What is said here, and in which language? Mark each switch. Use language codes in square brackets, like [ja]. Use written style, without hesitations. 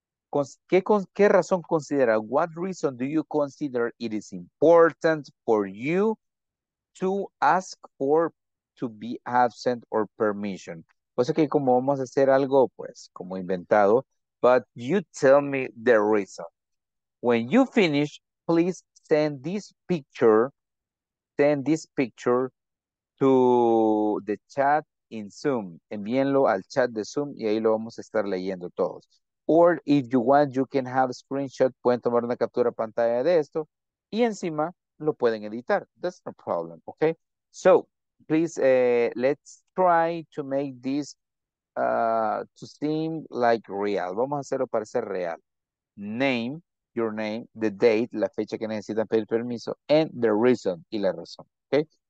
[es] ¿Qué razón considera? [en] What reason do you consider it is important for you to ask for to be absent or permission? [es] O sea que como vamos a hacer algo, pues, como inventado, [en] but you tell me the reason. When you finish, please send this picture to the chat in Zoom. [es] Envíenlo al chat de Zoom y ahí lo vamos a estar leyendo todos. [en] Or if you want, you can have a screenshot. [es] Pueden tomar una captura pantalla de esto. Y encima, lo pueden editar. [en] That's no problem, okay? So, please, let's try to make this to seem like real. [es] Vamos a hacerlo para ser real. [en] Name, your name, the date, [es] la fecha que necesitan pedir permiso, [en] and the reason, [es] y la razón, okay?